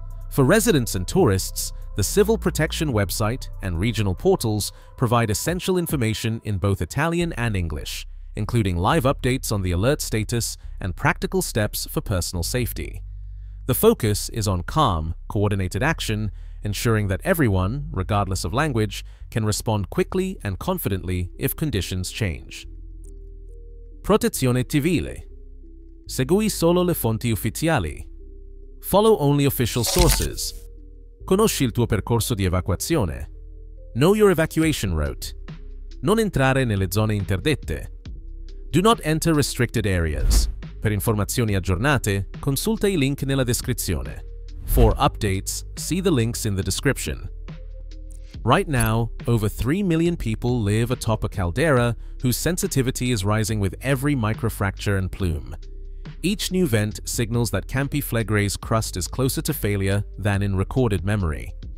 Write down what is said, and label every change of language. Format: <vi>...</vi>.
<en>For residents and tourists, the Civil Protection website and regional portals provide essential information in both Italian and English, including live updates on the alert status and practical steps for personal safety. The focus is on calm, coordinated action, ensuring that everyone, regardless of language, can respond quickly and confidently if conditions change.</en> <it>Protezione Civile. Segui solo le fonti ufficiali.</it> <en>Follow only official sources.</en> <it>Conosci il tuo percorso di evacuazione.</it> <en>Know your evacuation route.</en> <it>Non entrare nelle zone interdette.</it> <en>Do not enter restricted areas.</en> <it>Per informazioni aggiornate, consulta I link nella descrizione.</it> <en>For updates, see the links in the description. Right now, over 3 million people live atop a caldera whose sensitivity is rising with every microfracture and plume. Each new vent signals that Campi Flegrei's crust is closer to failure than in recorded memory.</en>